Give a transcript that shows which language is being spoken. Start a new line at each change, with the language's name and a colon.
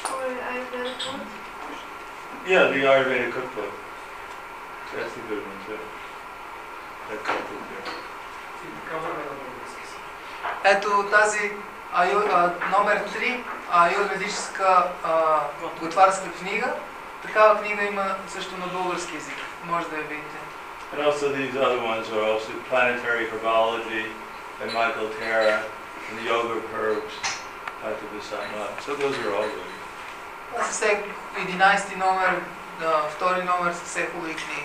English: A book with the recipes for Ayurveda food? Yeah, the Ayurveda cookbook. That's a good one too. That cookbook there.
Bulgarian: Ето тази номер 3, Ayurvedическа готварска книга. Такава книга има също на български език. Може да я видите.
English: And also these other ones are also Planetary Herbology by Michael Terra and the Yoga of Herbs by the Visama. So those are all good. That's the 11th number, the 2nd number, the 2nd week.